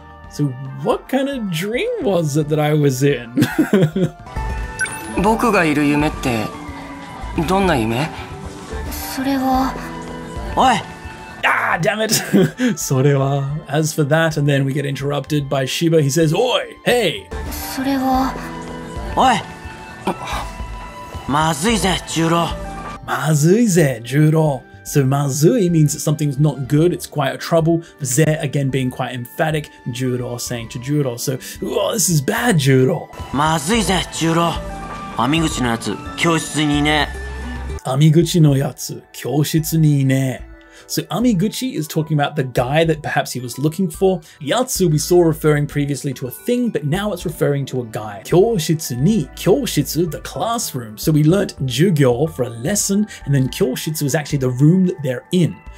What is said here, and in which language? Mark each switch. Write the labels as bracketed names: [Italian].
[English] So, what kind of dream was it that I was in? [Japanese] 僕がいる夢ってどんな夢? それは… おい! [English] Ah, damn it! [Japanese] それは... [English] As for that, and then we get interrupted by Shiba, he says, Oi! Hey! [Japanese] それは... Oi! まずいぜ、ジュロ。まずいぜ、ジュロ。 [English] So, まずい means that something's not good, it's quite a trouble. ぜ, again, being quite emphatic. ジュロ saying to ジュロ. So, this is bad, ジュロ. [Japanese] まずいぜ、ジュロ。アミグチのやつ、教室にいね。アミグチのやつ、教室にいね。 [English] So Amiguchi is talking about the guy that perhaps he was looking for. Yatsu we saw referring previously to a thing, but now it's referring to a guy. Kyoshitsu ni, kyoshitsu, the classroom. So we learnt jugyo for a lesson, and then kyoshitsu is actually the room that they're in.